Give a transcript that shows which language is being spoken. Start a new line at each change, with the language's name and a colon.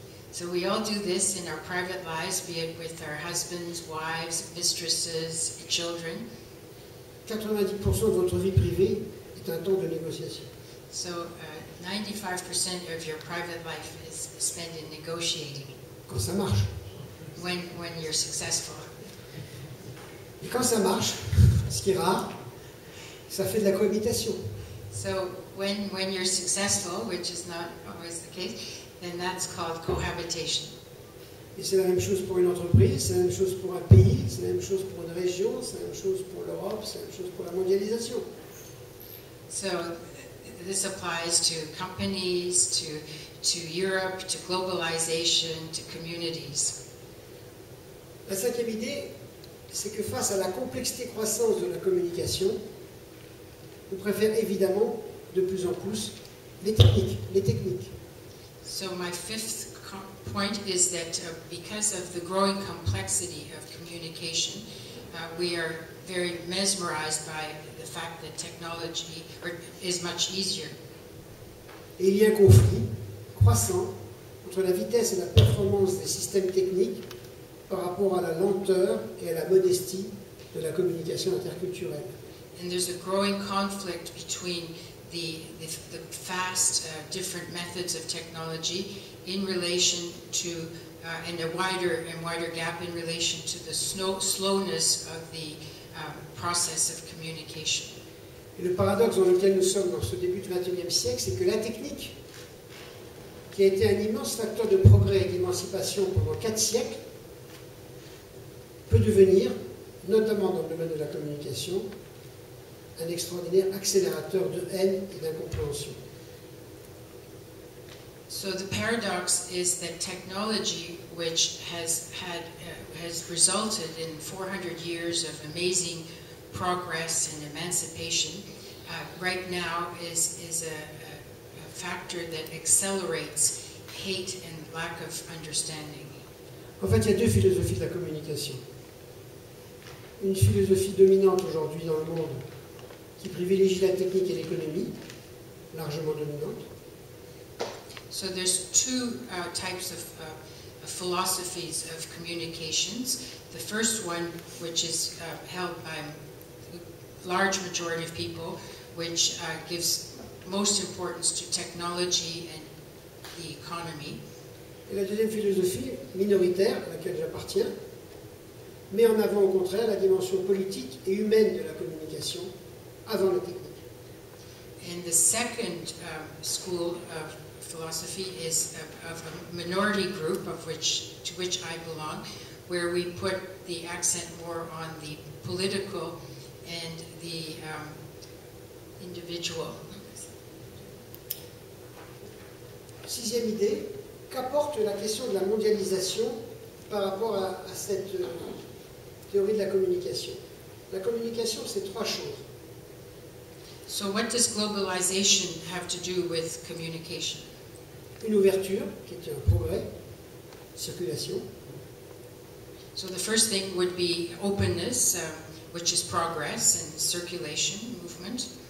English: So we all do this in our private lives, be it with our husbands, wives, mistresses, children.
French: 90% de votre vie privée est un temps de négociation.
English: So 95% of your private life is spent in negotiating.
French: Quand ça marche.
English: When you're successful.
French: Et quand ça marche, ce qui est rare, ça fait de la cohabitation.
English: So when you're successful, which is not always the case, then that's called cohabitation.
French: Et c'est la même chose pour une entreprise, c'est la même chose pour un pays, c'est la même chose pour une région, c'est la même chose pour l'Europe, c'est la même chose pour la mondialisation.
English: So, this applies to companies, to Europe, to globalization, to communities.
French: La cinquième idée, c'est que face à la complexité croissante de la communication, on préfère évidemment de plus en plus les techniques.
English: So my fifth point is that because of the growing complexity of communication, we are very mesmerized by the fact that technology is much easier.
French: Et il y a un conflit croissant entre la vitesse et la performance des systèmes techniques par rapport à la lenteur et à la modestie de la communication interculturelle.
English: And there's a growing conflict between the fast different methods of technology in relation to and a wider and wider gap in relation to the slowness of the process of communication.
French: Et le paradoxe dans lequel nous sommes dans ce début du XXIe siècle, c'est que la technique, qui a été un immense facteur de progrès et d'émancipation pendant quatre siècles, peut devenir, notamment dans le domaine de la communication, un extraordinaire accélérateur de haine et d'incompréhension.
English: So the paradox is that technology, which has had has resulted in 400 years of amazing progress and emancipation, right now is a factor that accelerates hate and lack of understanding.
French: En fait, il y a deux philosophies de la communication. Une philosophie dominante aujourd'hui dans le monde qui privilégie la technique et l'économie, largement dominante.
English: So there's two types of philosophies of communications. The first one, which is held by large majority of people, which gives most importance to technology and the economy.
French: Et la deuxième philosophie, minoritaire, à laquelle j'appartiens, met en avant au contraire la dimension politique et humaine de la communication avant la technique.
English: And the second school of philosophy is of a minority group of which to which I belong, where we put the accent more on the political and the individual.
French: Sixième idée, qu'apporte la question de la mondialisation par rapport à cette théorie de la communication? La communication, c'est trois choses.
English: So what does globalization have to do with communication?
French: Une ouverture, qui est un progrès, circulation.
English: So the first thing would be openness, which is progress, and circulation, movement.